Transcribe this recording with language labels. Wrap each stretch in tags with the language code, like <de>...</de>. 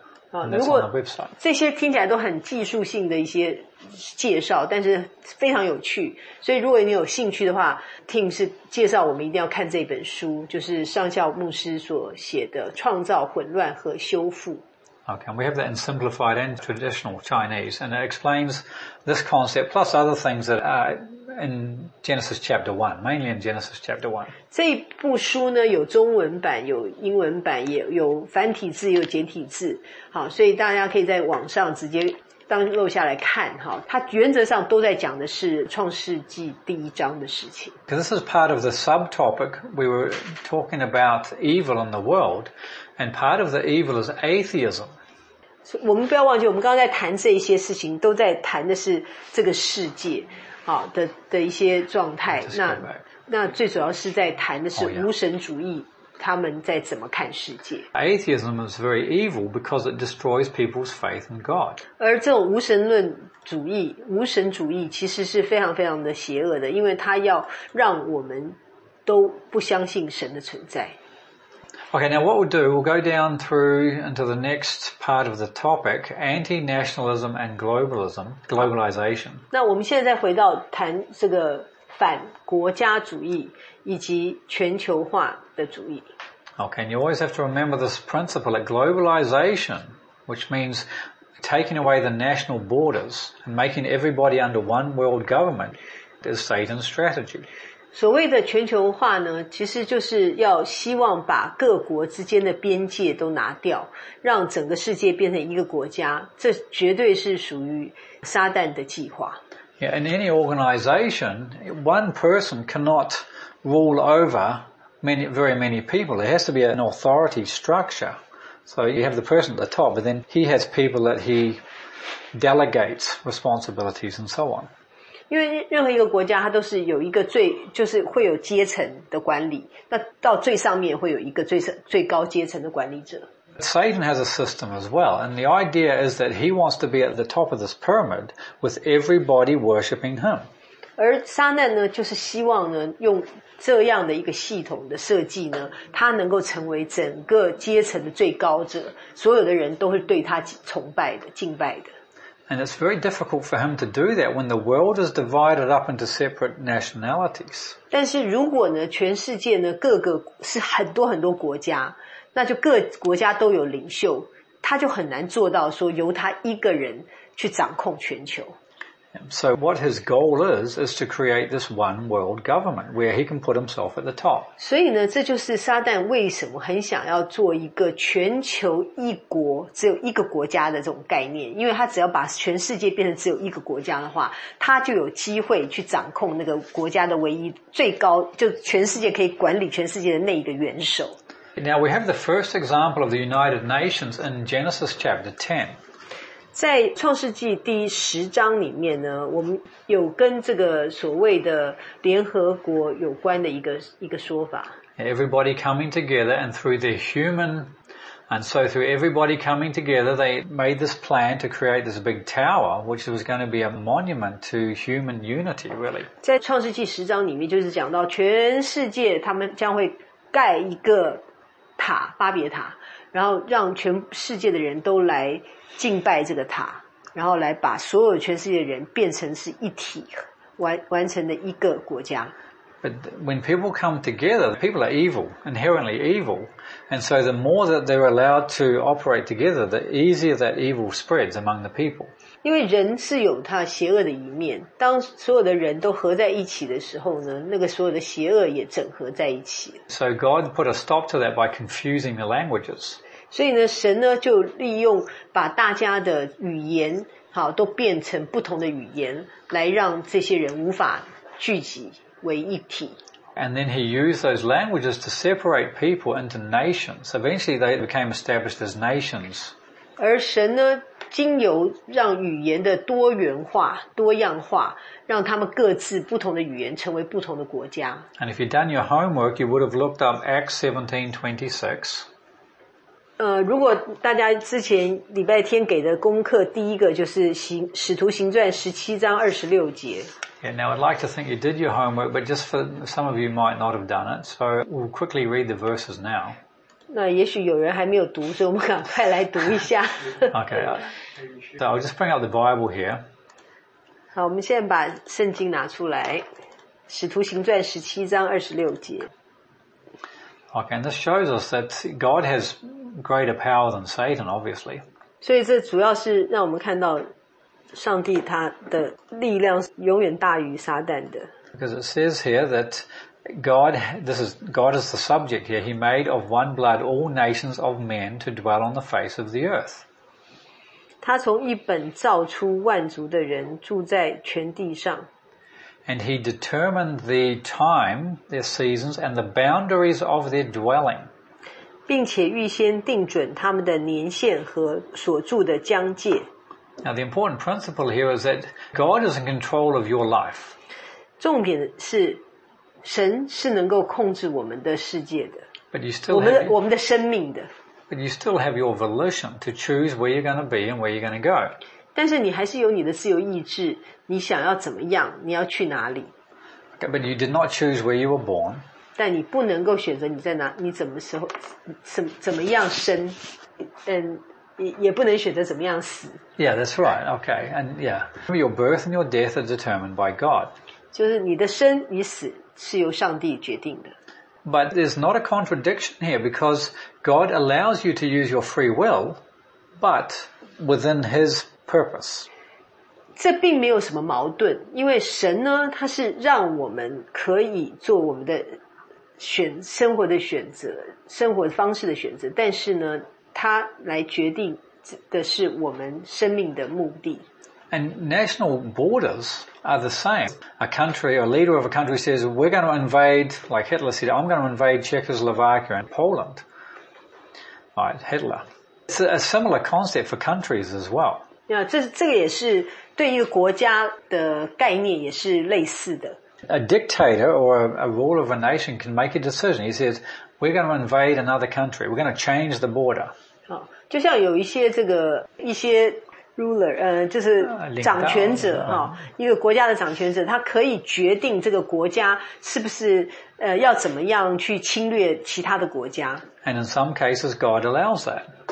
<en>And that's on the website.</en> <zh>这些听起来都很技术性的一些介绍，但是非常有趣。所以如果你有兴趣的话 ，Tim 是介绍我们一定要看这本书，就是上校牧师所写的《创造、混乱和修复》。</zh> <en>Okay, and we have that in simplified and traditional Chinese, and it explains this concept plus other things that are in Genesis chapter 1, mainly in Genesis chapter 1.</en> <zh>这一部书呢有中文版有英文版也有繁体字有简体字。好，所以大家可以在网上直接当漏下来看，好，它原则上都在讲的是创世纪第一章的事情。</zh> <en>Because this is part of the subtopic we were talking about evil in the world, and part of the evil is atheism.</en> <zh>我们不要忘记，我们刚刚在谈这些事情，都在谈的是这个世界，好的的一些状态。那最主要是在谈的是无神主义。 Oh, yeah. 他们在怎么看世界</zh> <en>？Atheism is very evil because it destroys people's faith in God.</en> <zh>而这种无神论主义，无神主义其实是非常非常的邪恶的，因为它要让我们都不相信神的存在。</zh> <en>Okay, now what we'll do, we'll go down through into the next part of the topic, anti-nationalism and globalism, globalization.</en> <zh>那我们现在再回到谈这个反国家主义以及全球化。</zh> <en>Okay, and you always have to remember this principle that globalization, which means taking away the national borders and making everybody under one world government, is Satan's strategy.</en> <zh>所谓的全球化呢，其实就是要希望把各国之间的边界都拿掉，让整个世界变成一个国家，这绝对是属于撒旦的计划。</zh> <en>Yeah, in any organization, one person cannot rule over very many people. There has to be an authority structure. So you have the person at the top, but then he has people that he delegates responsibilities and so on.</en> <zh>因为任何一个国家它都是有一个最就是会有阶层的管理，那到最上面会有一个最高阶层的管理者。</zh> <en>Satan has a system as well, and the idea is that he wants to be at the top of this pyramid with everybody worshipping him.</en> <zh>而撒旦呢，就是希望呢用这样的一个系统的设计呢，它能够成为整个阶层的最高者，所有的人都会对他崇拜的、敬拜的。</zh> <en>And it's very difficult for him to do that when the world is divided up into separate nationalities.</en> <zh>但是如果呢，全世界呢各个是很多很多国家，那就各国家都有领袖，他就很难做到说由他一个人去掌控全球。</zh> <en>So what his goal is to create this one world government where he can put himself at the top.</en> <zh>所以呢，这就是撒旦为什么很想要做一个全球一国，只有一个国家的这种概念。因为他只要把全世界变成只有一个国家的话，他就有机会去掌控那个国家的唯一最高，就全世界可以管理全世界的那一个元首。</zh> <en>Now we have the first example of the United Nations in Genesis chapter 10.</en> <zh>在创世纪第十章里面呢，我们有跟这个所谓的联合国有关的一个说法。</zh> <en>Everybody coming together, and through the human, and so through everybody coming together, they made this plan to create this big tower, which was going to be a monument to human unity, really.</en> <zh>在创世纪十章里面，就是讲到全世界他们将会盖一个塔，巴别塔，然后让全世界的人都来。敬拜这个塔，然后来把所有全世界的人变成是一体，完成的一个国家。</zh> <en>But when people come together, people are evil, inherently evil, and so the more that they're allowed to operate together, the easier that evil spreads among the people.</en> <zh>因为人是有他邪恶的一面，当所有的人都合在一起的时候呢，那个所有的邪恶也整合在一起。</zh> <en>So God put a stop to that by confusing the languages.</en> <zh>所以呢，神呢就利用把大家的语言好都变成不同的语言，来让这些人无法聚集为一体。</zh> <en>And then he used those languages to separate people into nations. Eventually they became established as nations.</en> <zh>而神呢，经由让语言的多元化、多样化，让他们各自不同的语言成为不同的国家。</zh> <en>And if you'd done your homework, you would have looked up Acts 17:26.</en> <zh>如果大家之前礼拜天给的功课，第一个就是使徒行传17:26。</zh> <en>Yeah, now I'd like to think you did your homework, but just for some of you might not have done it, so we'll quickly read the verses now.</en> <zh>那也许有人还没有读，所以我们赶快来读一下。</zh> <en>Okay, so I'll just bring out the Bible here.</en> <zh>好，我们现在把圣经拿出来，《使徒行传》17:26。</zh> <en>Okay, and this shows us that God has greater power than Satan, obviously.</en> <zh>所以这主要是让我们看到上帝他的力量永远大于撒旦的。</zh> <en>Because it says here that God is the subject here. He made of one blood all nations of men to dwell on the face of the earth.</en> <zh>他从一本造出万族的人住在全地上。</zh> <en>And he determined the time, their seasons, and the boundaries of their dwelling.</en> <zh>并且预先定准他们的年限和所住的疆界。</zh> <en>Now the important principle here is that God is in control of your life.</en> <zh>重点是神是能够控制我们的世界的。</zh> <en>But you still have,</en> <zh>我们的生命的。</zh> <en>But you still have your volition to choose where you're going to be and where you're going to go.</en> <zh>但是你还是有你的自由意志，你想要怎么样，你要去哪里。</zh> <en>Okay, but you did not choose where you were born.</en> <zh>但你不能够选择你在哪，你怎么时候，怎么样生。 And,也不能选择怎么样死。</zh> <en>Yeah, that's right. Okay, and yeah, your birth and your death are determined by God.</en> <zh>就是你的生与死是由上帝决定的。</zh> <en>But there's not a contradiction here because God allows you to use your free will, but within His purpose.</en> <zh>这并没有什么矛盾，因为神呢，他是让我们可以做我们的选生活的选择、生活方式的选择，但是呢。他来决定的是我们生命的目的。</zh> <en>And national borders are the same. A country, a leader of a country says, we're going to invade, like Hitler said, I'm going to invade Czechoslovakia and Poland. Right, Hitler. It's a similar concept for countries as well.</en> <zh>Yeah, 这个也是对一个国家的概念也是类似的。</zh> <en>A dictator or a ruler of a nation can make a decision. He says,We're going to invade another country. We're going to change the border.</en> <zh>就像有一些这个一些 ruler, 就是掌权者一个国家的掌权者，他可以决定这个国家是不是要怎么样去侵略其他的国家。</zh> <en>And in some cases, God allows that.</en>